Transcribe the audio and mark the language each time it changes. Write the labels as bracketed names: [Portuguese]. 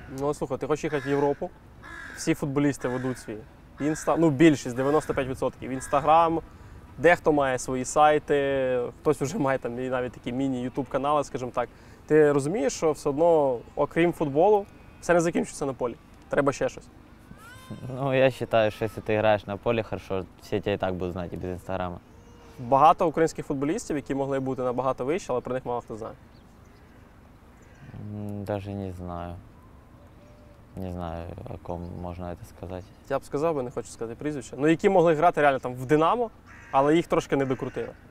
[Ukrainian] Ну, слухай, ти хочеш їхати в Європу, всі футболісти ведуть свій, ну, більшість, 95%, Instagram, дехто має свої сайти, хтось вже має там навіть такі міні-ютуб-канали, скажімо так. Ти розумієш, що все одно, окрім футболу, все не закінчується на полі, треба ще щось. [Russian] Ну, я считаю, что если ты играешь на поле хорошо, все тебя и так будут знать, и без Инстаграма. [Ukrainian] багато українських футболістів, які могли бути набагато вище, але про них мало хто знає. [Russian] Даже не знаю. Не знаю, о ком можна це сказати. [Ukrainian] Я б сказав, бо не хочу сказати прізвище. Ну, які могли грати реально там в Динамо, але їх трошки не докрутили.